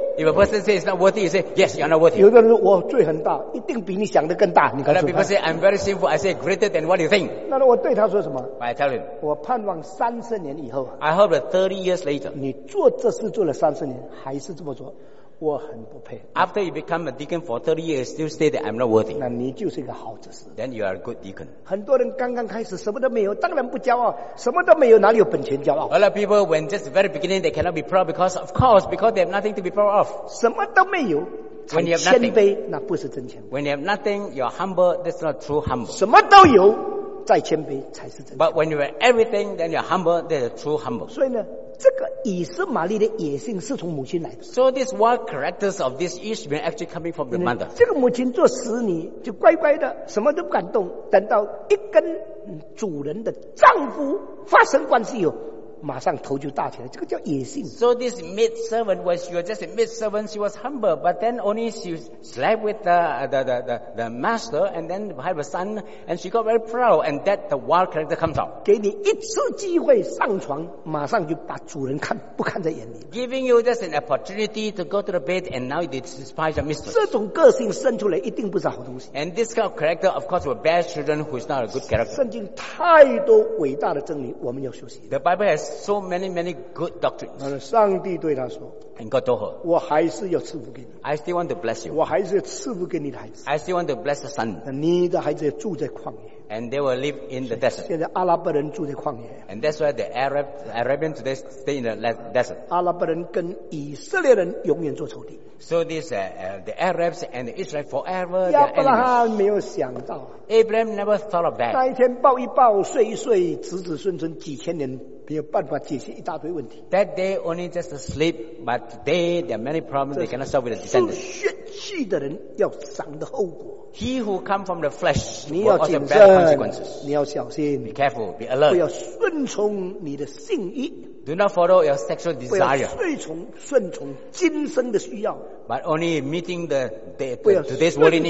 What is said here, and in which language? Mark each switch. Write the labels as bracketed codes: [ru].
[en] If a person says not worthy, you say yes, you're not worthy. [zh] 有的人说我罪很大，一定比你想的更大。你告诉他。 [en] Other people say I'm very sinful. I say greater than what you think. [zh] 那我对他说什么 [en] ？I tell him. [zh] 我盼望三十年以后。 [en] I hope that 30 years later. [zh] 你做这事做了三十年，还是这么做。我很不配。 [en] After you become a deacon for 30 years, still say that I'm not worthy. [zh] 那你就是一个好执事。 [en] Then you are a good deacon. [zh] 很多人刚刚开始什么都没有，当然不骄傲，什么都没有，哪里有本钱骄傲 [en] ？A lot of people when just very beginning they cannot be proud because they have nothing to be proud of. [zh] 什么都没有。 [en] When you have nothing, [zh] 谦卑那不是真谦卑。 [en] When you have nothing, you're humble. That's not true humble. [zh] 什么都有，再谦卑才是真。 [en] But when you have everything, then you're humble. That's a true humble. [zh] 所以呢？这个以实玛利的野性是从母亲来的。 [en] So this wild characters of this Ishmael actually coming from the mother. [zh] 这个母亲做使女就乖乖的，什么都不敢动，等到一跟主人的丈夫发生关系后，马上头就大起来。这个叫野性。 [en] So this maid servant was she was just a maid servant. She was humble, but then only she slept with the master, and then have a son, and she got very proud, and that the wild character comes out. [zh] 给你一次机会上床，马上就把主人看不看在眼里。 [en] Giving you just an opportunity to go to the bed, and now you despise your mistress. [zh] 这种个性生出来一定不是好东西。 [en] And this kind of character, of course, were bad children who is not a good character. [zh] 圣经太多伟大的真理，我们要学习。 [en] The Bible has so many good doctrines. [zh] 上帝对他说 [en] And God told her, [zh] 我还是要赐福给你。 [en] I still want to bless you. [zh] 我还是要赐福给你的孩子。 [en] I still want to bless the son. [zh] 你的孩子要住在旷野。 [en] And they will live in the desert. [zh] 现在阿拉伯人住在旷野。 [en] And that's why the Arabians today stay in the desert. [zh] 阿拉伯人跟以色列人永远做仇敌。 [en] So this the Arabs and the Israelites forever. [zh] 亚伯拉罕没有想到。 [en] Abraham never thought of that. [zh] 那一天抱一抱，睡一睡，子子孙孙几千年。没有办法解决一大堆问题。 [en] That day only just sleep, but today there are many problems they cannot solve with the descendants. [zh] 是血气的人要尝的后果。 [en] He who come from the flesh, [zh] 你要谨慎，你要小心。 [en] Be careful, be alert. [zh] 不要顺从你的性意。 [en] Do not follow your sexual desire. [zh] 顺从今生的需要。 [en] But only meeting the today's worldly needs.